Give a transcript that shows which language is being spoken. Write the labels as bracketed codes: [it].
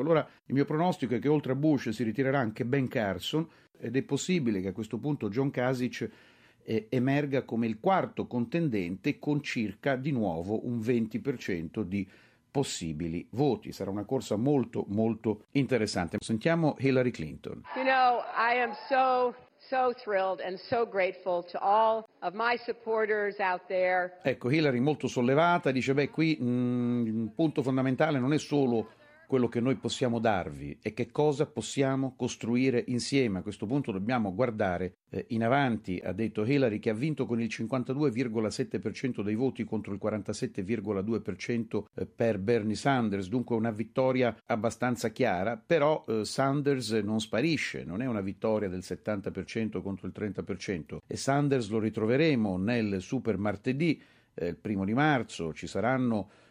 [it] Allora il mio pronostico è che oltre a Bush si ritirerà anche Ben Carson, ed è possibile che a questo punto John Kasich emerga come il quarto contendente con circa di nuovo un 20% di possibili voti. Sarà una corsa molto molto interessante. Sentiamo Hillary Clinton. [en] You know, I am so thrilled and so grateful to all of my supporters out there. [it] Ecco, Hillary molto sollevata, dice: beh, qui un punto fondamentale non è solo quello che noi possiamo darvi, è che cosa possiamo costruire insieme. A questo punto dobbiamo guardare in avanti, ha detto Hillary, che ha vinto con il 52,7% dei voti contro il 47,2% per Bernie Sanders, dunque una vittoria abbastanza chiara, però Sanders non sparisce, non è una vittoria del 70% contro il 30%, e Sanders lo ritroveremo nel super martedì, il 1° di marzo, ci saranno